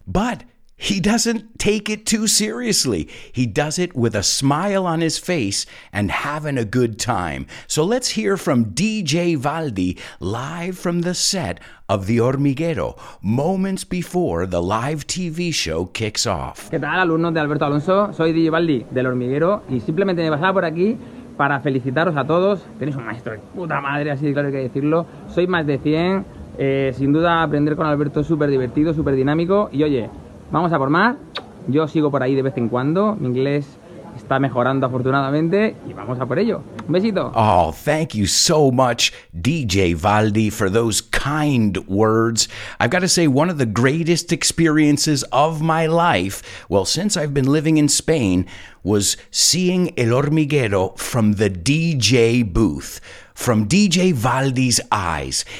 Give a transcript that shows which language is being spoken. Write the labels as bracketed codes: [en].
[en] But he doesn't take it too seriously. He does it with a smile on his face and having a good time. So let's hear from DJ Valdi live from the set of The Hormiguero, moments before the live TV show kicks off. [es] ¿Qué tal, alumnos de Alberto Alonso? Soy DJ Valdi, del Hormiguero, y simplemente me pasaba por aquí para felicitaros a todos. Tenéis un maestro de puta madre, así claro hay que decirlo. Soy más de 100. Sin duda, aprender con Alberto es súper divertido, súper dinámico. Y oye, vamos a por más. Yo sigo por ahí de vez en cuando. Mi inglés está... está mejorando afortunadamente y vamos a por ello. Un besito. [en] Oh, thank you so much, DJ Valdi, for those kind words. I've got to say, one of the greatest experiences of my life, well, since I've been living in Spain, was seeing El Hormiguero from the DJ booth, from DJ Valdi's eyes.